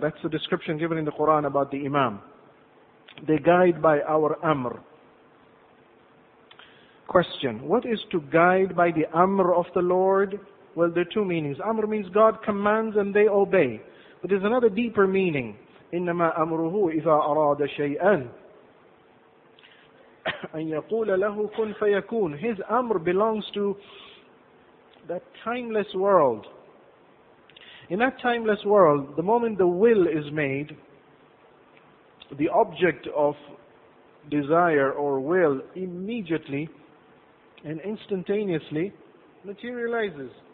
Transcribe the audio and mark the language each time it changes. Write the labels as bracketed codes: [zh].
[en] That's the description given in the Quran about the Imam. They guide by our amr. Question, what is to guide by the amr of the Lord? Well, there are two meanings. Amr means God commands and they obey. But there's another deeper meaning. [ar] إِنَّمَا أَمْرُهُ إِذَا أَرَادَ شَيْئًا أَنْ يَقُولَ لَهُ كُنْ فَيَكُونَ. [en] His amr belongs to that timeless world. In that timeless world, the moment the will is made, the object of desire or will immediately and instantaneously materializes.